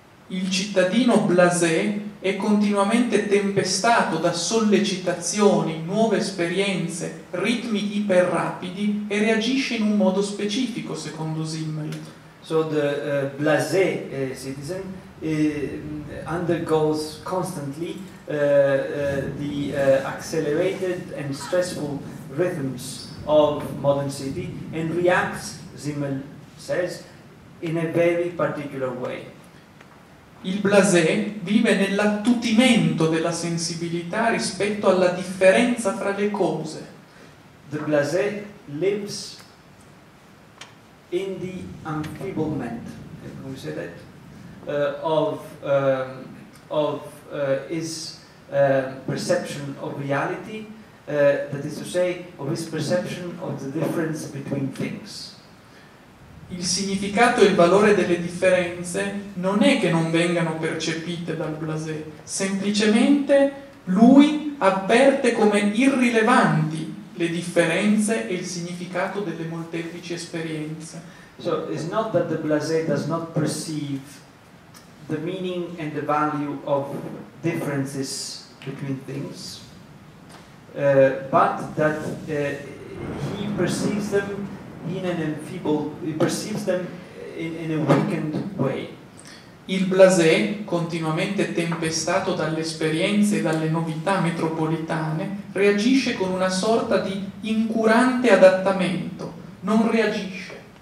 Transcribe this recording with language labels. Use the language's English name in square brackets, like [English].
[Italian] Il cittadino blasé è continuamente tempestato da sollecitazioni, nuove esperienze, ritmi iperrapidi e reagisce in un modo specifico, secondo Zimmel. [English] So the blasé citizen undergoes constantly the accelerated and stressful rhythms of modern city and reacts, Zimmel says, in a very particular way. [Italian] Il blasé vive nell'attutimento della sensibilità rispetto alla differenza fra le cose. [English] The blasé lives in the enfeeblement, [Italian] come si dice, [English] of his perception of reality, that is to say, of his perception of the difference between things. [Italian] Il significato e il valore delle differenze non è che non vengano percepite dal blasé, semplicemente lui avverte come irrilevanti le differenze e il significato delle molteplici esperienze. [English] So it's not that the blasé does not perceive the meaning and the value of differences between things, but that he perceives them in an enfeebled, he perceives them in a weakened way. [Italian] Il blasé, continuamente tempestato dalle esperienze e dalle novità metropolitane, reagisce con una sorta di incurante adattamento, non reagisce.